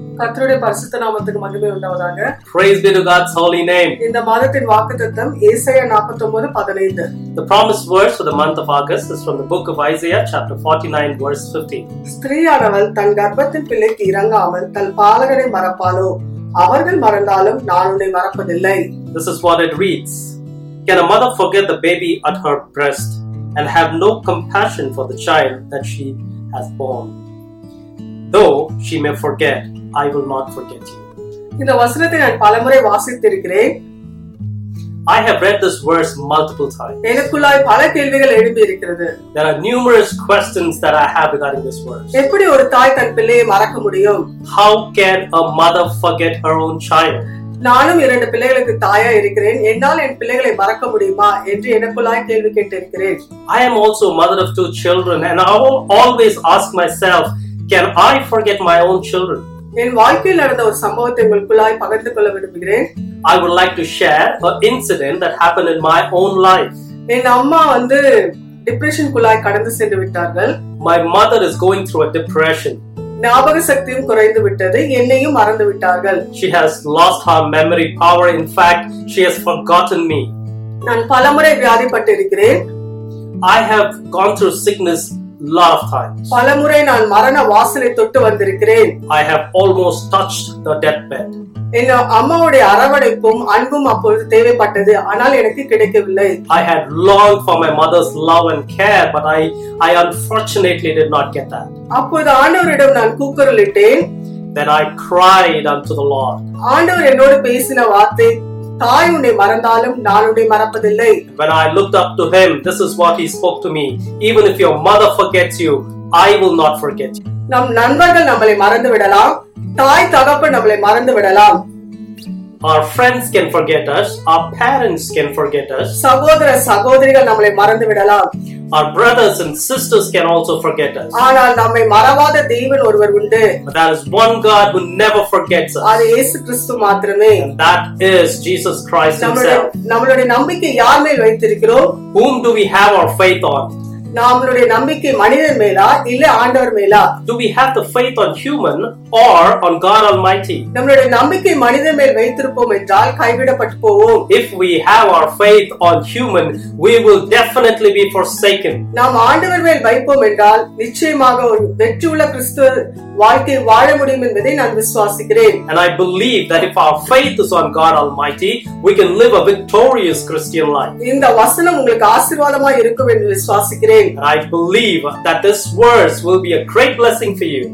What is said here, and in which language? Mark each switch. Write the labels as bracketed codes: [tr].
[ta] கர்த்தருடைய பரிசுத்த நாமத்துக்கு மகிமை உண்டாவதாக. [en] Praise be to God's holy name. [ta] இந்த மாதத்தின் வாக்குத்தத்தம் ஏசாயா 49:15. [en] The promised verse for the month of August is from the book of Isaiah chapter 49 verse 15. [ta] ஸ்திரீயானவள் தன் கர்ப்பத்தின் பிள்ளைக்கு இரங்காமல் தன் பாலகனை மறப்பாளோ, அவர்கள் மறந்தாலும் நான் உன்னை மறப்பதில்லை. [en] This is what it reads. Can a mother forget the baby at her breast and have no compassion for the child that she has born? Though she may forget, I will not forget you. [ta] இந்த வசனத்தை நான் பலமுறை வாசித்திருக்கிறேன். [en] I have read this verse multiple times. [ta] எனக்குள்ளாய் பல கேள்விகள் எழும்பி இருக்கிறது. [en] There are numerous questions that I have regarding this verse. [ta] எப்படி ஒரு தாய் தன் பிள்ளையை மறக்க முடியும்? [en] How can a mother forget her own child? [ta] நானும் இரண்டு பிள்ளைகளுக்கு தாயா இருக்கிறேன், என்னால் என் பிள்ளைகளை மறக்க முடியுமா என்று எனக்குள்ளாய் கேள்வி கேட்டிருக்கிறேன். [en] I am also mother of two children and I always ask myself, can I forget my own children? [ta] என் வாழ்க்கையில் நடந்த ஒரு சம்பவத்தை உங்களுக்குள்ளாய் பகிர்ந்து கொள்ள விரும்புகிறேன். [en] I would like to share an incident that happened in my own life. [ta] என் அம்மா வந்து depression குள்ளாய் கடந்து சென்று விட்டார்கள். [en] My mother is going through a depression. [ta] ஞாபக சக்தியும் குறைந்து விட்டது, என்னையும் மறந்து விட்டார்கள். [en] She has lost her memory power. In fact, she has forgotten me. [ta] நான் பலமுறை வியாதிப்பட்டிருக்கிறேன். [en] I have gone through sickness lot of times. [ta] பலமுறை நான் மரண வாசலை தொட்டு வந்திருக்கிறேன். [en] I have almost touched the deathbed. [ta] என் அம்மாவுடைய அரவணைப்பும் அன்பும் அப்பொழுது தேவைப்பட்டது, ஆனால் எனக்கு கிடைக்கவில்லை. [en] I had longed for my mother's love and care, but I unfortunately did not get that. [ta] அப்பொழுது ஆண்டவரிடம் நான் கூக்குரலிட்டேன். [en] Then I cried unto the Lord. [ta] ஆண்டவர் என்னோடு பேசின வார்த்தை, தாய் உன்னை மறந்தாலும் நான் உன்னை மறப்பதில்லை. [en] When I looked up to him, this is what he spoke to me. Even if your mother forgets you, I will not forget you. [ta] நம் நண்பர்கள் நம்மளை மறந்து விடலாம், தாய் தகப்ப நம்மளை மறந்து விடலாம். [en] Our friends can forget us, our parents can forget us. [ta] சகோதர சகோதரிகள் நம்மளை மறந்து விடலாம். [en] Our brothers and sisters can also forget us. [ta] ஆனால் நம்மை மறவாத தேவன் ஒருவர் உண்டு. [en] But there is one God who never forgets us. [ta] அது இயேசு கிறிஸ்து மாத்திரமே. [en] And that is Jesus Christ himself. [ta] நம்மளுடைய நம்பிக்கை யார் மேல் வைத்திருக்கிறோம்? [en] Whom do we have our faith on? [ta] நம்மளுடைய நம்பிக்கை மனிதர் மேலா இல்ல ஆண்டவர் மேலா? [en] Do we have the faith on human or on God Almighty? [ta] நம்மளுடைய நம்பிக்கை மனிதர் மேல் வைத்திருப்போம் என்றால் கைவிடப்பட்டு போவோம். [en] If we have our faith on human, we will definitely be forsaken. [ta] நாம் ஆண்டவர் மேல் வைப்போம் என்றால் நிச்சயமாக ஒரு வெற்றியுள்ள கிறிஸ்துவ வாழ்க்கை வாழ முடியும் என்பதை நான் விசுவாசிக்கிறேன். [en] And I believe that if our faith is on God Almighty, we can live a victorious Christian life. [ta] இந்த வசனம் உங்களுக்கு ஆசீர்வாதமாக இருக்கும் என்று விசுவாசிக்கிறேன். [en] And I believe that this verse will be a great blessing for you.